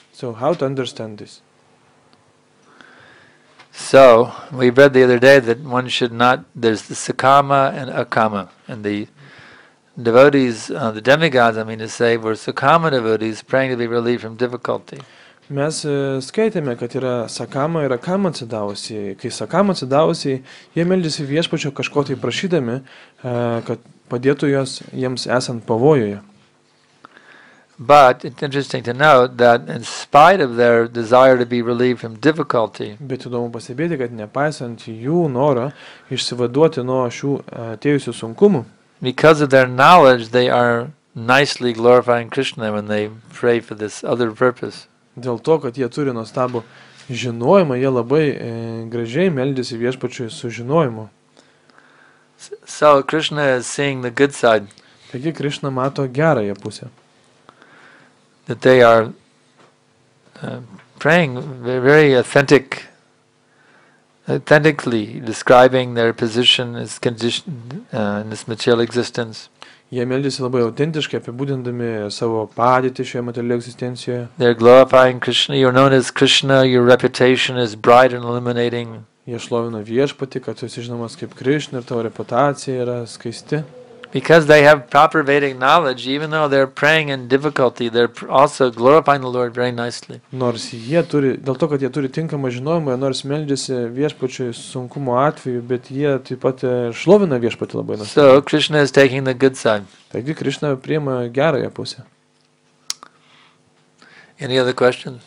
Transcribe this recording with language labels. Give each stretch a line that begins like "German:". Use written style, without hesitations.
English: So how to understand this? So, we read the other day that one should not, there's the Sakama and Akama. And the devotees, the demigods, I mean to say, were Sakama devotees praying to be relieved from difficulty.
Lithuanian: Mes skaitėme, kad yra Sakama ir Akama atsidavusi. Kai Sakama atsidavusi, jie meldžiasi viešpačio kažko tai prašydami, kad padėtų jos jiems esant pavojoje.
English: But it's interesting to note that in spite of their desire to be relieved from difficulty,
Lithuanian: bet įdomu pastebėti, kad nepaisant jų noro išsivaduoti nuo šių atėjusių sunkumų,
English: because of their knowledge they are nicely glorifying Krishna when they pray for this other purpose.
Lithuanian: Dėl to, kad jie turi nuostabų žinojimą, jie labai gražiai meldėsi viešpačiui su žinojimu.
English: So Krishna is seeing the good side.
Lithuanian: Taigi Krishna mato gerąją pusę.
English: That they are praying very authentically describing their position as condition in this material existence.
Lithuanian: Jie meldžiasi labai autentiškai apibūdindami savo padėtį šioje materialioje egzistencijoje.
English: They are glorifying Krishna, you're known as Krishna, your reputation is bright and illuminating.
Lithuanian: Jie šlovina viešpatį, kad tu esi žinomas kaip Krishna ir tavo reputacija yra skaisti.
English: Because they have proper Vedic knowledge, even though they're praying in difficulty, they're also glorifying the Lord very nicely.
Lithuanian: Nors jie turi, dėl to, kad jie turi tinkamą žinojimą, nors meldžiasi viešpačiui sunkumo atveju, bet jie taip pat šlovina viešpatį labai nuostabiai.
English: So Krishna is taking the good side.
Lithuanian: Taigi Krishna priima gerąją pusę.
English: Any other questions?